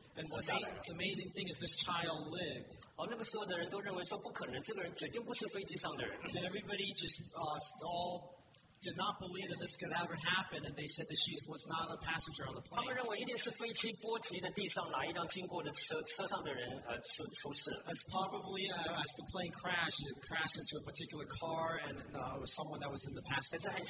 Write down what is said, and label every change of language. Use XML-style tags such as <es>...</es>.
<en>And the amazing thing is this child lived.</en> <zh>那个时候的人都认为说不可能，这个人绝对不是飞机上的人。</zh> <en>And everybody just all did not believe that this could ever happen, and they said that she was not a passenger on the plane.</en> <zh>他们认为一定是飞机波及的地上哪一辆经过的车上的人出事。</zh> <en>As probably as the plane crashed, it crashed into a particular car, and it was someone that was in the passenger.</en>